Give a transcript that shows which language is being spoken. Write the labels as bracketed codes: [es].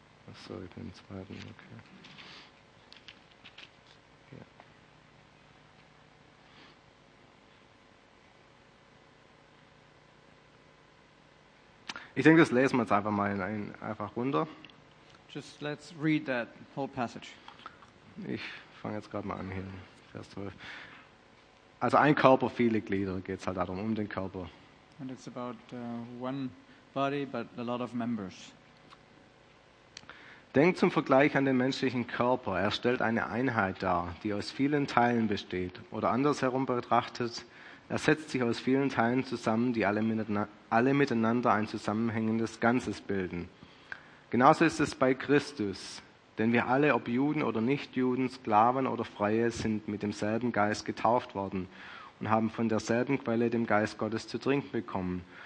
[de] Achso, ich bin im zweiten, okay. Ja. Ich denke, das lesen wir jetzt einfach mal einfach runter. [en] Just let's read that whole passage. [de] Ich fange jetzt gerade mal an hier, Vers 12. Also ein Körper, viele Glieder, geht es halt darum, um den Körper. [en] And it's about one body, but a lot of members. [de] Denkt zum Vergleich an den menschlichen Körper. Er stellt eine Einheit dar, die aus vielen Teilen besteht. Oder andersherum betrachtet, er setzt sich aus vielen Teilen zusammen, die alle miteinander ein zusammenhängendes Ganzes bilden. Genauso ist es bei Christus, denn wir alle, ob Juden oder Nichtjuden, Sklaven oder Freie, sind mit demselben Geist getauft worden und haben von derselben Quelle dem Geist Gottes zu trinken bekommen.